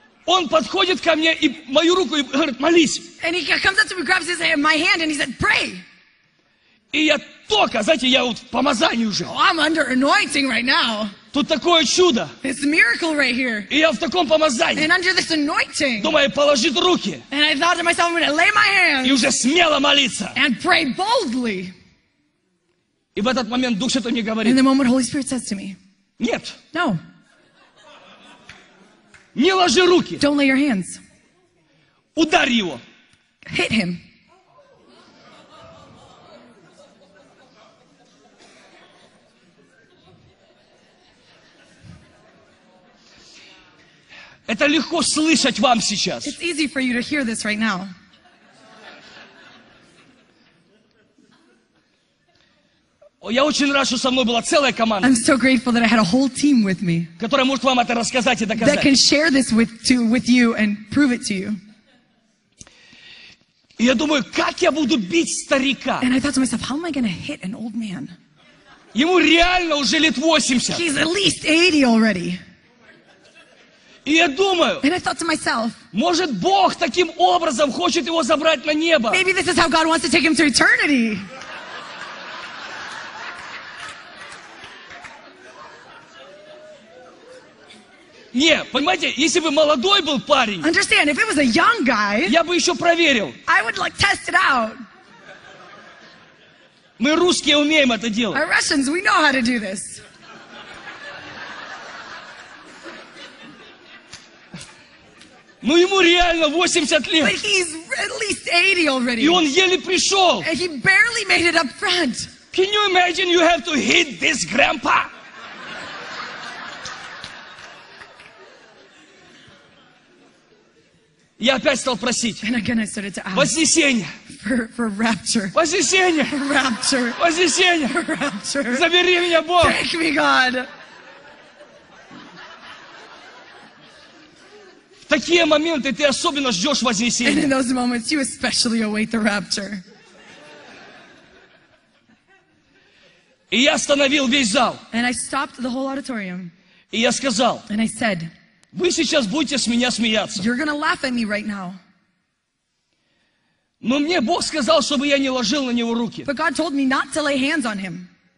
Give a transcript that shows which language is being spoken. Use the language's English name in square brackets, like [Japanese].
[Russian] Он подходит ко мне и мою руку и говорит, молись. [English] And he comes up to me, grabs his hand, my hand, and he said, pray. [Russian] И я только, знаете, я вот в помазании уже. [English] Oh, I'm under anointing right now. [Russian] Тут такое чудо. [English] It's a miracle right here. [Russian] И я в таком помазании. [English] And under this anointing. [Russian] Думаю, положит руки. [English] And I thought to myself, I'm going to lay my hands. [Russian] И уже смело молиться. [English] And pray boldly. [Russian] И в этот момент Дух Святой мне говорит. [English] In the moment, Holy Spirit says to me. [Russian] Нет. [English] No. [Russian] Не ложи руки. [English] Don't lay your hands. [Russian] Ударь его. [English] Hit him. [Russian] Это легко слышать вам сейчас. [English] It's easy for you to hear this right now. [Russian] Я очень рад, что со мной была целая команда. [English] I'm so grateful that I had a whole team with me. [Russian] Которая может вам это рассказать и доказать. [English] That can share this with you and prove it to you. [Russian] И я думаю, как я буду бить старика? [English] And I thought to myself, how am I going to hit an old man? [Russian] Ему реально уже лет 80. [English] He's at least 80 already. [Russian] И я думаю, [English] and I thought to myself, [Russian] может Бог таким образом хочет его забрать на небо? [English] Maybe this is how God wants to take him to eternity. [Russian] Не, понимаете, если бы молодой был парень, [English] understand, if it was a young guy, [Russian] я бы еще проверил. [English] I would like test it out. [Russian] Мы русские умеем это делать. [English] Our Russians, we know how to do this. [Russian] Ну ему реально 80 лет. [English] But he's at least 80 already. [Russian] И он еле пришел. [English] And he barely made it up front. Can you imagine you have to hit this grandpa? [Russian] Я опять стал просить. [English] And again I started to ask. [Russian] Вознесение. [English] For rapture. [Russian] Вознесение. [English] For rapture. [Russian] Вознесение. [English] For rapture. [Russian] Забери меня, Бог. [English] Take me, God. [Russian] В такие моменты ты особенно ждешь вознесения. [English] And in those moments you especially await the rapture. [Russian] И я остановил весь зал. [English] And I stopped the whole auditorium. [Russian] И я сказал. [English] And I said. [Russian] Вы сейчас будете с меня смеяться. [English] You're gonna laugh at me right now. [Russian] Но мне Бог сказал, чтобы я не ложил на него руки. [English] But God told me not to lay hands on him.